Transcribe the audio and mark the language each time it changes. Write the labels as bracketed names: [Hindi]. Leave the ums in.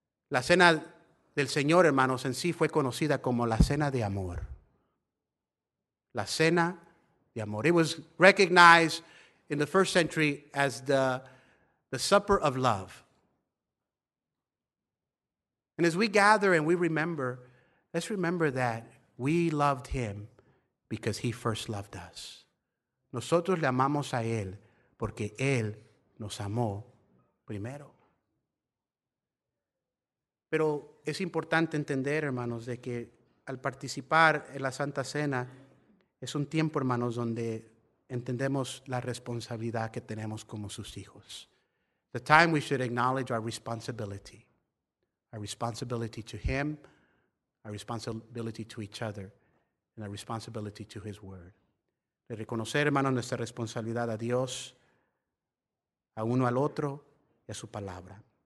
[Spanish] La cena del Señor, hermanos, en sí fue conocida como la cena de amor. La cena de amor. [English] It was recognized in the first century as the, the supper of love. And as we gather and we remember, let's remember that we loved him because he first loved us. [Spanish] Nosotros le amamos a él porque Él nos amó primero. Pero es importante entender, hermanos, de que al participar en la Santa Cena es un tiempo, hermanos, donde entendemos la responsabilidad que tenemos como sus hijos. [English] The time we should acknowledge our responsibility, our responsibility to Him, our responsibility to each other, and our responsibility to His Word. [Spanish] De reconocer, hermanos, nuestra responsabilidad a Dios a uno al otro y a su palabra.